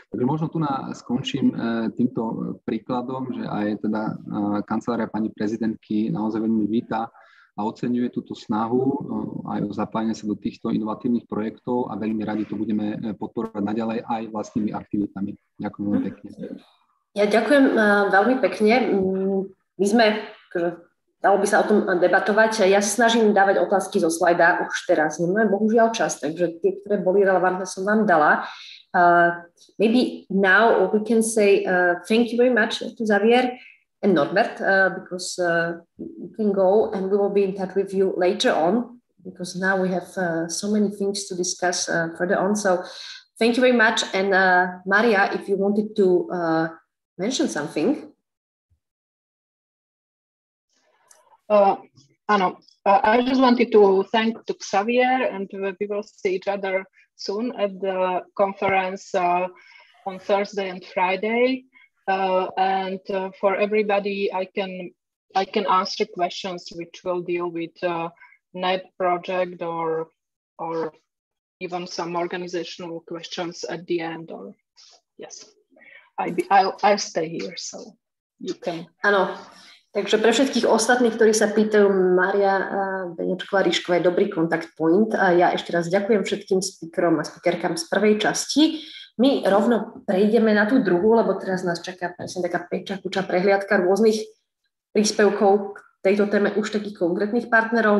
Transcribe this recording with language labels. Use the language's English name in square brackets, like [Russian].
[Slovak] Takže možno tu skončím týmto príkladom, že aj teda kancelária pani prezidentky naozaj veľmi víta a oceňuje túto snahu aj o zapájanie sa do týchto inovatívnych projektov a veľmi radi to budeme podporovať naďalej aj vlastnými aktivitami. Ďakujem veľmi pekne. Ja ďakujem veľmi pekne. My sme, dalo by sa o tom debatovať, ja snažím dávať otázky zo slajda už teraz. Nemám bohužiaľ čas, takže tie, ktoré boli relevantné, som vám dala. [English] Maybe now we can say thank you very much, Xavier. And Norbert, because you can go and we will be in touch with you later on, because now we have so many things to discuss further on. So thank you very much. And Maria, if you wanted to mention something. I just wanted to thank to Xavier and we will see each other soon at the conference on Thursday and Friday. And for everybody, I can answer questions which will deal with NET project or even some organizational questions at the end. Or yes, I'll stay here, so you can. [Slovak] Áno, takže pre všetkých ostatných, ktorí sa pýtajú, Maria Benečková-Ryšková je dobrý kontakt point. A ja ešte raz ďakujem všetkým speakerom a speakerkám z prvej časti. My rovno prejdeme na tú druhú, lebo teraz nás čaká presne taká pečakúča prehliadka rôznych príspevkov k tejto téme už takých konkrétnych partnerov.